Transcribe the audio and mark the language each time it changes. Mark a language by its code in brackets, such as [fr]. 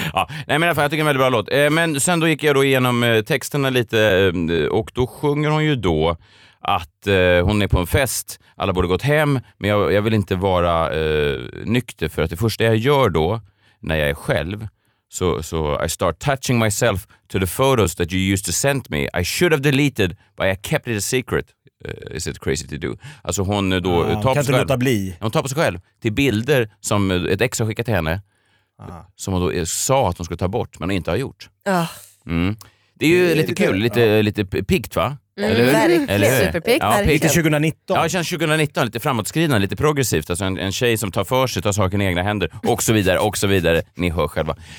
[sv] Ja, nej, men i alla fall, jag tycker det är en väldigt bra låt. Men sen då gick jag då igenom texterna lite. Och då sjunger hon ju då att hon är på en fest. Alla borde gått hem. Men jag vill inte vara nykter. För att det första jag gör då när jag är själv, så [en] I start touching myself to the photos that you used to send me. I should have deleted, but I kept it a secret. Is it crazy to do? [sv] Alltså hon då tar på sig själv. Hon tar på sig själv till bilder som ett ex har skickat till henne. Som hon då sa att hon skulle ta bort men hon inte har gjort. Det är ju lite kul, lite piggt, va? Eller superpiggt. Ja, piggt 2019. Ja, det känns 2019 lite framåtskridande, lite progressivt. Alltså en tjej som tar för sig, tar saken i egna händer och så vidare, och så vidare. Ni hör själva.